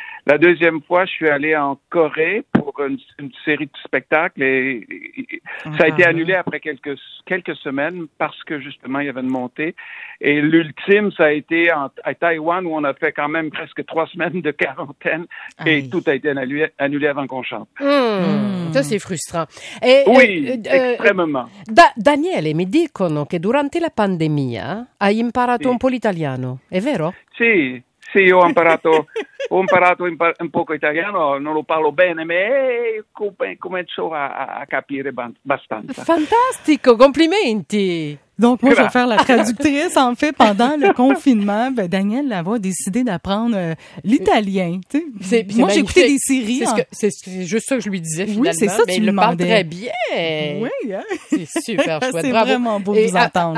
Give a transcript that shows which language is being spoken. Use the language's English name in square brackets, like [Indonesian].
[French] La deuxième fois, je suis allé en Corée pour une série de spectacles et ça a été annulé après quelques semaines parce que justement il y avait une montée. Et l'ultime, ça a été à Taïwan où on a fait quand même presque 3 semaines de quarantaine et tout a été annulé avant qu'on chante. Ça, c'est frustrant. Extrêmement. [Italian] Daniele, mi dicono che durante la pandemia hai imparato un po' l'italiano, è vero? Sì. Sì, ho imparato un poco italiano, non lo parlo bene, ma comincio a capire abbastanza. Fantastico, complimenti! [French] Donc, moi, je vais faire la traductrice. En fait, pendant le confinement, ben, Daniel Lavoie a décidé d'apprendre l'italien. C'est moi, j'ai écouté des séries. C'est juste ça que je lui disais, finalement. Oui, c'est ça que tu lui demandais. Mais il parle très bien. Oui, hein? C'est super chouette. C'est bravo. Vraiment beau de vous entendre.